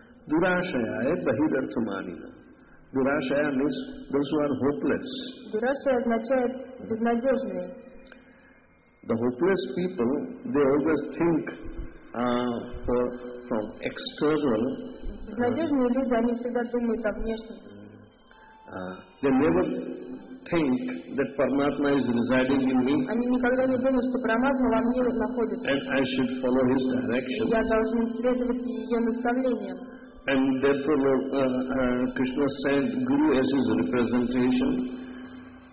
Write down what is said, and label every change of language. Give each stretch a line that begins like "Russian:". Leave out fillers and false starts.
Sanskrit: Durashayai bahirarthamani.
English: Durashaya means those who are hopeless.
Russian: Durashaya означает безнадежные.
English: The hopeless people, they always think from external.
Russian: Безнадежные люди, они всегда думают о внешнем.
English: They never think that Paramatma is residing in me.
Russian: Они никогда не думают, что Параматма во мне находится.
English: And I should follow his directions.
Russian: Я должен следовать ее наставлениям.
English: And therefore, Krishna sent Guru as his representation.